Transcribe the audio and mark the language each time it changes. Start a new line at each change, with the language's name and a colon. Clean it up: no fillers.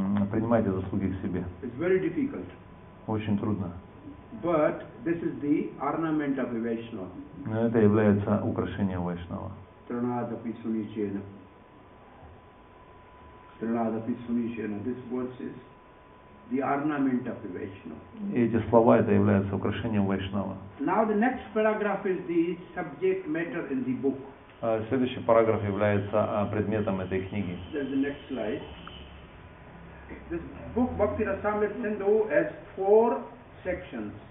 Russian: Принимайте заслуги к себе.
English: It's very difficult.
Russian: Очень трудно.
English: But this is the ornament of a Vaishnava.
Russian: Но это является украшением Вайшнава.
Sanskrit: Тринада пи суни чена.
English: This verse is the ornament of the Vaishnava.
Russian: Эти слова это является украшением Вайшнава.
English: Now the next paragraph is the subject matter in the book.
Russian: Следующий параграф является предметом этой книги.
English: There's the next slide. This book Bhakti Rasamrita Sindhu has four sections.